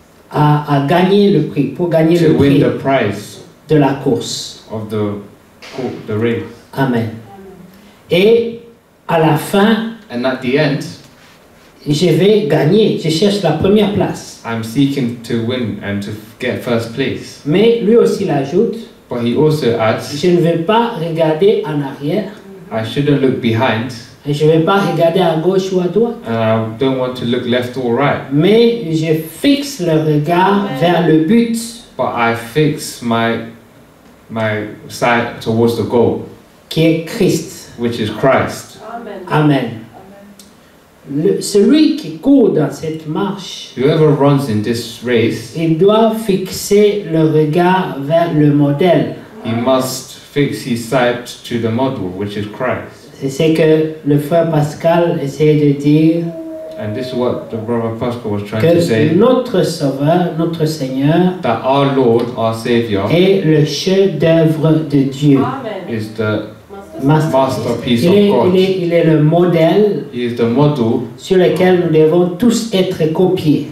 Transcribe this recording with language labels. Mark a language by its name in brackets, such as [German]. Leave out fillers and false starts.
[French] à gagner le prix, pour gagner le prix [English] the prize [French] de la course. [English] Of the course, the race. [French] Amen. Et à la fin, [English] and at the end, [French] je vais gagner, je cherche la première place. [English] I'm seeking to win and to get first place. [French] Mais lui aussi l'ajoute, [English] but he also adds, [French] je ne vais pas regarder en arrière. [English] I shouldn't look behind. [French] Et je ne vais pas regarder à gauche ou à droite. [English] I don't want to look left or right. [French] Mais je fixe le regard vers le but. [English] But I fix my sight towards the goal. [French] Qui est Christ. [English] Which is Christ. Amen. [French] Amen. Celui qui court dans cette marche, [English] whoever runs in this race, [French] il doit fixer le regard vers le modèle. [English] He must fix his sight to the model, which is Christ. [French] C'est ce que le frère Pascal essayait de dire. [English] And this is what the brother Pascal was trying [French] que [English] to say. [French] Notre Sauveur, notre Seigneur, [English] that our Lord, our Savior, [French] est le chef-d'œuvre de Dieu. Amen. [English] Is the masterpiece [French] il est, [English] of God. [French] Il est le modèle. [English] He is the model [French] sur lequel nous devons tous être copiés.